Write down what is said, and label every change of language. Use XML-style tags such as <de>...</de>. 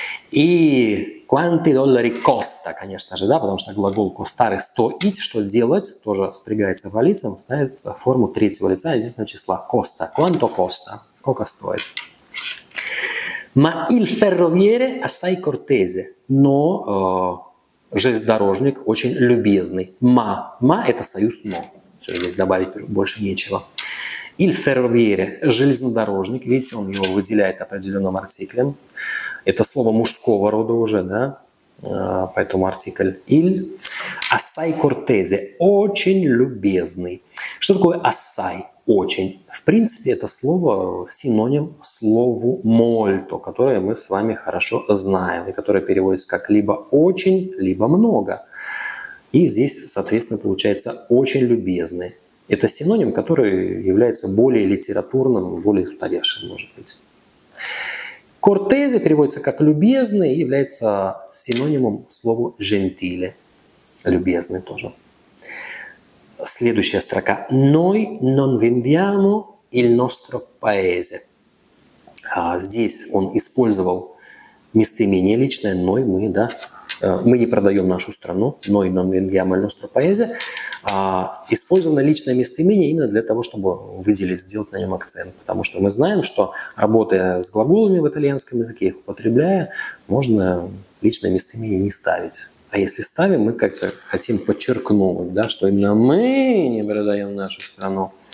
<ru>И</ru> <it>«Quanti dollari costa»,</it> <ru>конечно же, да, потому что глагол «costare» – «стоить», что делать, тоже спрягается по лицам, ставится в форму третьего лица единственного числа «costa».</ru> <it>«Quanto costa?» –</it> <ru>«Сколько стоит?»</ru> <it>«Ma il ferroviere assai cortese».</it> <ru>«Но железнодорожник очень любезный».</ru> <it>«Ma».</it> <ru>«Ma» – это союз «но». Все, здесь добавить больше нечего.</ru> <it>«Il ferroviere»</it> <ru>– железнодорожник. Видите, он его выделяет определенным артиклем. Это слово мужского рода уже, да? Поэтому артикль «il».</ru> <it>«Assai cortese»</it> <ru>– очень любезный. Что такое «assai»? «Очень». В принципе, это слово синоним слову «molto», которое мы с вами хорошо знаем, и которое переводится как либо «очень», либо «много». И здесь, соответственно, получается «очень любезный». Это синоним, который является более литературным, более устаревшим, может быть. «Cortese» переводится как «любезный» и является синонимом слову «gentile». «Любезный» тоже. Следующая строка.</ru> <it>«Noi non vendiamo il nostro paese».</it> <ru>Здесь он использовал местоимение личное «noi», «мы», да? «Мы не продаем нашу страну».</ru> <it>«Noi non vendiamo il nostro paese».</it> <ru>Использовано личное местоимение именно для того, чтобы выделить, сделать на нем акцент. Потому что мы знаем, что работая с глаголами в итальянском языке, их употребляя, можно личное местоимение не ставить. А если ставим, мы как-то хотим подчеркнуть, да, что именно мы не продаем нашу страну.</ru>